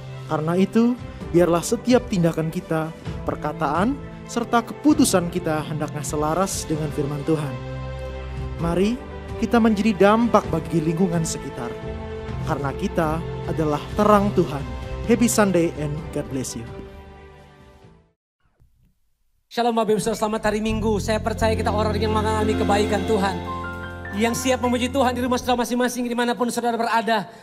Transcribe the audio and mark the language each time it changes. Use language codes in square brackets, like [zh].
[id] Karena itu, biarlah setiap tindakan kita, perkataan, serta keputusan kita hendaknya selaras dengan firman Tuhan. Mari kita menjadi dampak bagi lingkungan sekitar. Karena kita adalah terang Tuhan. [en] Happy Sunday and God bless you. [id] Shalom Bapak Ibu Saudara, selamat hari Minggu. Saya percaya kita orang yang mengalami kebaikan Tuhan, yang siap memuji Tuhan di rumah saudara masing-masing, dimanapun saudara berada.